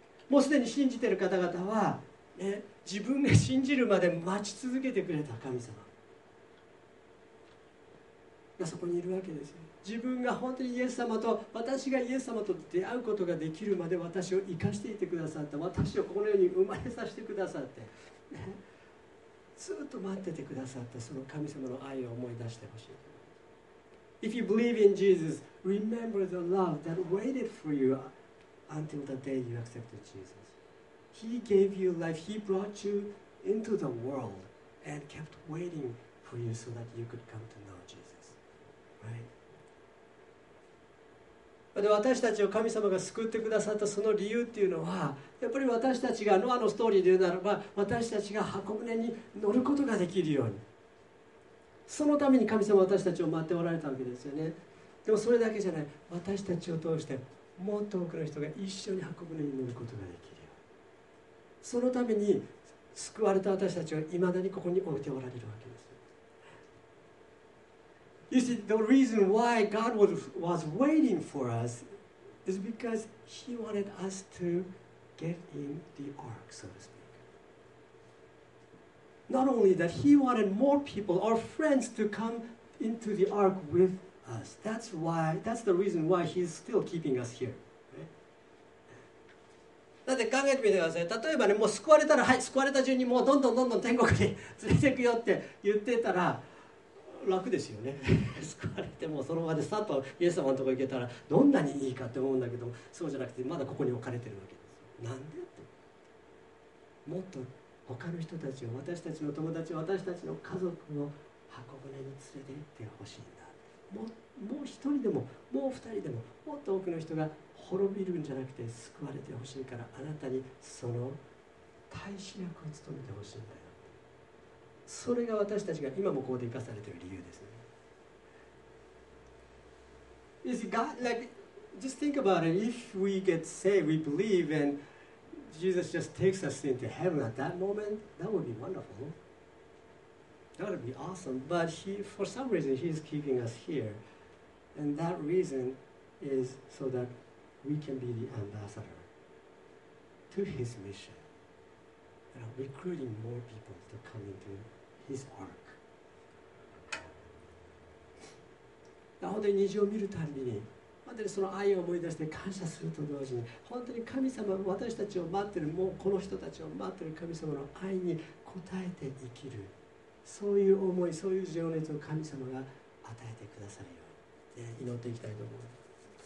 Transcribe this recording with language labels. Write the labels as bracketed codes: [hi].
[ja] もうすでに信じている方々は、ね、自分が信じるまで待ち続けてくれた神様がそこにいるわけですよ。自分が本当にイエス様と、私がイエス様と出会うことができるまで私を生かしていてくださった、私をこの世に生まれさせてくださって、ね、ずっと待っててくださったその神様の愛を思い出してほしい。 [en] If you believe in Jesus, remember the love that waited for you until the day you accepted JesusHe gave you life. He brought you into the world and kept waiting for you so that you could come to know Jesus. Right? [ja] 私たちを神様が救ってくださったその理由っていうのは、やっぱり私たちがノアのストーリーで言うならば、私たちが箱舟に乗ることができるように。そのために神様は私たちを待っておられたわけですよね。でもそれだけじゃない。私たちを通してもっと多くの人が一緒に箱舟に乗ることができる。そのために救われた私たちは未だにここに置いておられるわけです。 [en] You see, the reason why God was waiting for us is because He wanted us to get in the ark, so to speak. Not only that, He wanted more people, our friends, to come into the ark with us. That's the reason why He's still keeping us here. [ja] だって考えてみてください。例えばね、もう救われたら、はい、救われた順にもうどんどんどんどん天国に連れていくよって言ってたら楽ですよね。救われてもうその場でさっとイエス様のところ行けたらどんなにいいかって思うんだけど、そうじゃなくてまだここに置かれてるわけです。なんでって。もっと他の人たちを、私たちの友達を、私たちの家族を箱舟に連れて行ってほしいんだ。もう一人でも、もう二人でも、もっと多くの人が滅びるんじゃなくて救われてほしいから、あなたにその大使役を務めてほしいんだよ。それが私たちが今もここで生かされている理由ですね。 [en] You see, God, like, just think about it. If we get saved, we believe, and Jesus just takes us into heaven at that moment, that would be wonderful. That would be awesome. But he, for some reason, he's keeping us here. And that reason is so thatWe can be the ambassador to his mission, you know, recruiting more people to come into his ark. [ja] 本当に虹を見るたびに、本当にその愛を思い出して感謝すると同時に、本当に神様、私たちを待ってる、もうこの人たちを待ってる神様の愛に応えて生きる、そういう思い、そういう情熱を神様が与えてくださるように祈っていきたいと思います。